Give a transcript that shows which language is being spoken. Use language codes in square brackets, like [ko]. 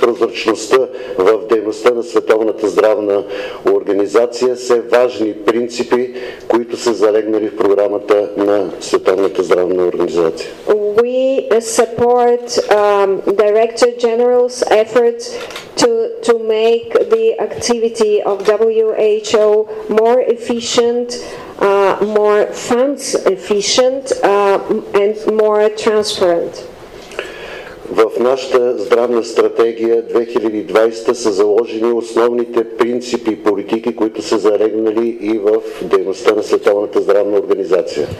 [bg] Прозрачността в дейността на Световната здравна организация са важни принципи, които са залегнали в програмата на Световната здравна организация. [en] We support Director General's efforts to make the activity of WHO more efficient, more funds efficient and more transparent. [bg] В нашата здравна стратегия 2020 са заложени основните принципи и политики, които са залегнали и в дейността на Световната здравна организация.